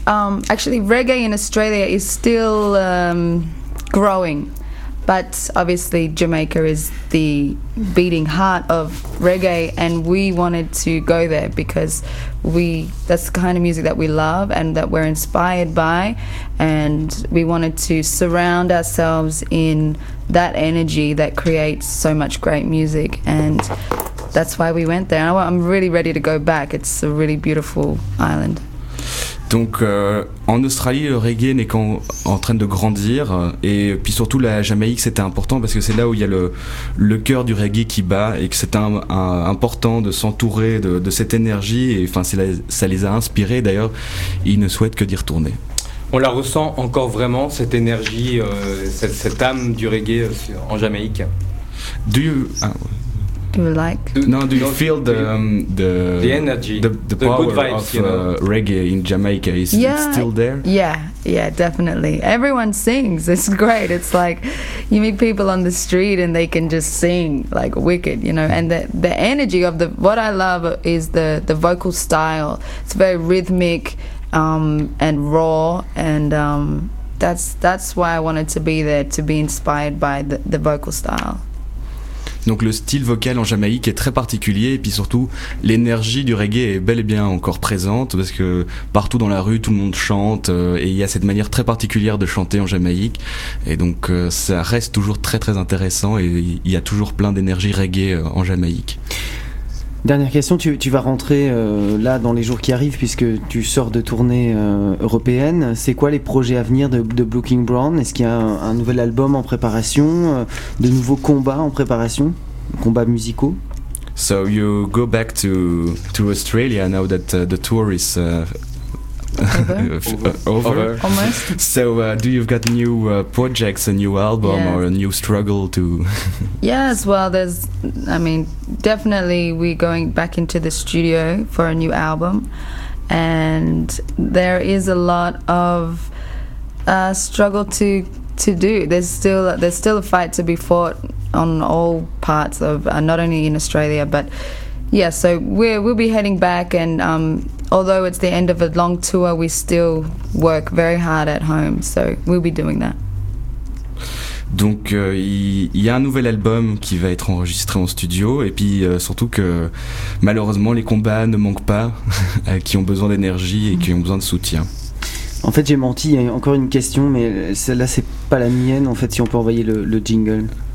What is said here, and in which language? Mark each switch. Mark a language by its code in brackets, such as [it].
[en] Actually, reggae in Australia is still growing, but obviously Jamaica is the beating heart of reggae, and we wanted to go there because that's the kind of music that we love and that we're inspired by, and we wanted to surround ourselves in that energy that creates so much great music, and that's why we went there. I'm really ready to go back. It's a really beautiful island. [fr] Donc en Australie, le reggae n'est qu'en train de grandir, et puis surtout la Jamaïque, c'était important parce que c'est là où il y a le cœur du reggae qui bat, et que c'est important de s'entourer de cette énergie, et enfin ça les a inspirés. D'ailleurs, ils ne souhaitent que d'y retourner. On la ressent encore vraiment, cette énergie, cette âme du reggae en Jamaïque. [en] Do you feel the energy, the power of reggae in Jamaica? It's still there? Yeah, definitely. Everyone sings. It's great. It's like you meet people on the street and they can just sing like wicked, you know. And the energy of what I love is the vocal style. It's very rhythmic and raw, and that's why I wanted to be there, to be inspired by the vocal style. [fr] Donc le style vocal en Jamaïque est très particulier, et puis surtout l'énergie du reggae est bel et bien encore présente, parce que partout dans la rue tout le monde chante, et il y a cette manière très particulière de chanter en Jamaïque, et donc ça reste toujours très très intéressant, et il y a toujours plein d'énergie reggae en Jamaïque. Dernière question, tu vas rentrer là dans les jours qui arrivent, puisque tu sors de tournée européenne. C'est quoi les projets à venir de Blue King Brown? Est-ce qu'il y a un nouvel album en préparation, de nouveaux combats en préparation, combats musicaux? [en] So you go back to Australia now that the tour is over. Almost. So do you've got new projects, a new album? Yeah. Or a new struggle to Yes, well, there's definitely we're going back into the studio for a new album, and there is a lot of struggle to do. There's still a fight to be fought on all parts of not only in Australia, but yeah, so we'll be heading back, and although it's the end of a long tour, we still work very hard at home, so we'll be doing that. [fr] Donc il y a un nouvel album qui va être enregistré en studio, et puis surtout que malheureusement les combats ne manquent pas, qui ont besoin d'énergie et qui ont besoin de soutien. En fait j'ai menti, il y a encore une question, mais celle-là c'est pas la mienne en fait, si on peut envoyer le jingle.